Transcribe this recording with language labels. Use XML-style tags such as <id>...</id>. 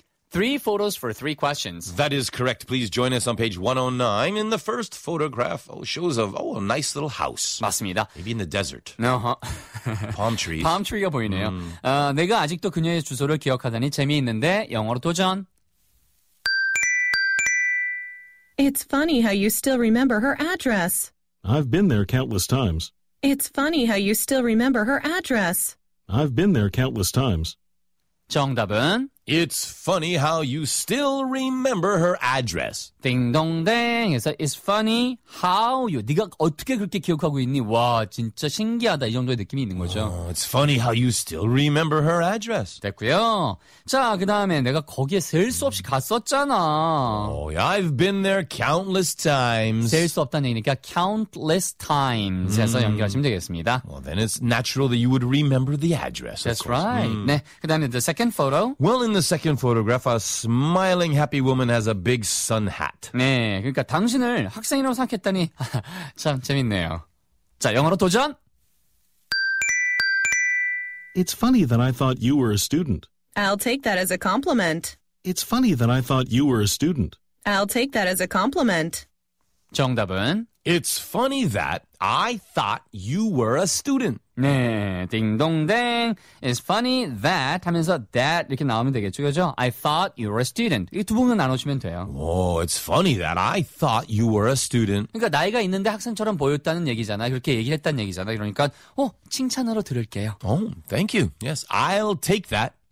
<en>Three photos for three questions. That is correct. Please join us on page 109. In the first photograph, shows a nice little house.</en> <ko>맞습니다.</ko> <en>Maybe in the desert. No. Uh-huh. Palm trees. Palm tree</en> <ko>가 보이네요. 내가 아직도 그녀의 주소를 기억하다니 재미있는데 영어로 도전.</ko> <en>It's funny how you still remember her address. I've been there countless times. It's funny how you still remember her address. I've been there countless times.</en> <ko>정답은?</ko> <en>It's funny how you still remember her address.</en> <ko>딩동댕.</ko> <en>그래서 it's funny how you.</en> <ko>네가 어떻게 그렇게 기억하고 있니? 와, 진짜 신기하다. 이 정도의 느낌이 있는 거죠.</ko> <en>Oh, it's funny how you still remember her address.</en> <ko>됐고요. 자, 그 다음에 내가 거기에 셀 수 없이 갔었잖아.</ko> <en>Oh, yeah, I've been there countless times.</en> <ko>셀 수 없다는 얘기니까</ko> <en>countless times</en> <ko>해서 연결하시면 되겠습니다.</ko> <en>Well, then it's natural that you would remember the address. That's right.</en> <ko>네, 그 다음에</ko> <en>the second photo. Well, in the second photograph, a smiling happy woman has a big sun hat.</en> <ko>네, 그러니까 당신을 학생이라고 생각했다니 참 재밌네요. 자, 영어로 도전!</ko> <en>It's funny that I thought you were a student. I'll take that as a compliment. It's funny that I thought you were a student. I'll take that as a compliment.</en> <ko>정답은?</ko> <en>It's funny that I thought you were a student.</en> <ko>네, 딩동댕.</ko> <en>It's funny that</en> <ko>하면서 that 이렇게 나오면 되겠죠, 그죠?</ko> <en>I thought you were a student.</en> <ko>이 두 부분 나누시면 돼요.</ko> <en>Oh, it's funny that I thought you were a student.</en> <ko>그러니까 나이가 있는데 학생처럼 보였다는 얘기잖아. 그렇게 얘기를 했다는 얘기잖아. 그러니까, 칭찬으로 들을게요.</ko> <en>Oh, thank you. Yes, I'll take that</en>